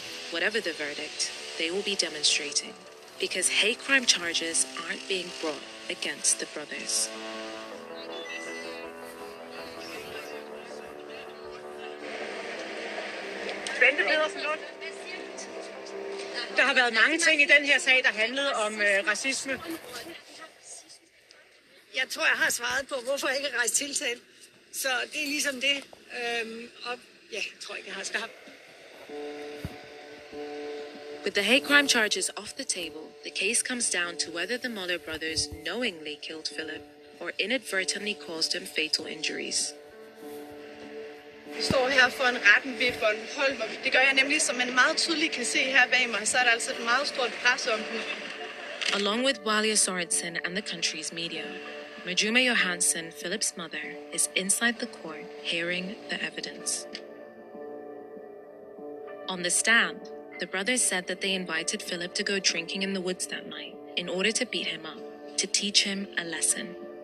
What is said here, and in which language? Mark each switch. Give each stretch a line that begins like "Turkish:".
English: Whatever the verdict, they will be demonstrating because hate crime charges aren't being brought against the brothers. There have been many things in this case that handled om racism.
Danish: Jeg tror, jeg har svaret på, hvorfor jeg ikke har rejst tiltale. Så det er ligesom det. Jeg tror ikke, jeg har skabt.
English: With the hate crime charges off the table, the case comes down to whether the Møller brothers knowingly killed Philip or inadvertently caused him fatal injuries.
Danish: Vi står her for en retten ved Bornholm, og det gør jeg nemlig, som man meget tydeligt kan se her bag mig, så er der altså et meget stort pres om den.
English: Along with Walia Sorensen and the country's media, Majuma Johansson, Philip's mother, is inside the court hearing the evidence. On the stand, the brothers said that they invited Philip to go drinking in the woods that night in order to beat him up, to teach him a lesson.